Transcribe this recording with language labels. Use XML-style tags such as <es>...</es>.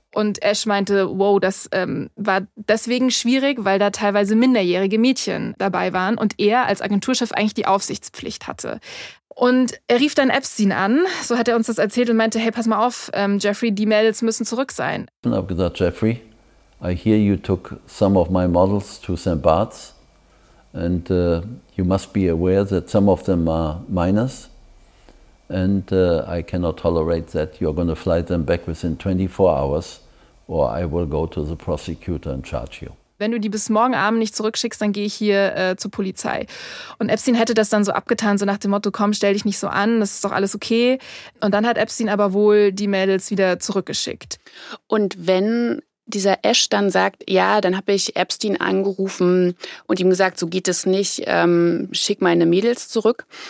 <de>Und Esch meinte, wow, das war deswegen schwierig, weil da teilweise minderjährige Mädchen dabei waren und er als Agenturchef eigentlich die Aufsichtspflicht hatte. Und er rief dann Epstein an, so hat er uns das erzählt, und meinte, hey, pass mal auf, Jeffrey, die Mädels müssen zurück sein. Ich habe gesagt,</de> <en>Jeffrey, I hear you took some of my models to St. Bart's and you must be aware that some of them are minors and I cannot tolerate that you're going to fly them back within 24 hours or I will go to the prosecutor and charge you.</en> <de>Wenn du die bis morgen Abend nicht zurückschickst, dann gehe ich hier zur Polizei. Und Epstein hätte das dann so abgetan, so nach dem Motto, komm, stell dich nicht so an, das ist doch alles okay. Und dann hat Epstein aber wohl die Mädels wieder zurückgeschickt. Und wenn dieser Esch dann sagt, ja, dann habe ich Epstein angerufen und ihm gesagt, so geht es nicht, schick meine Mädels zurück.</de>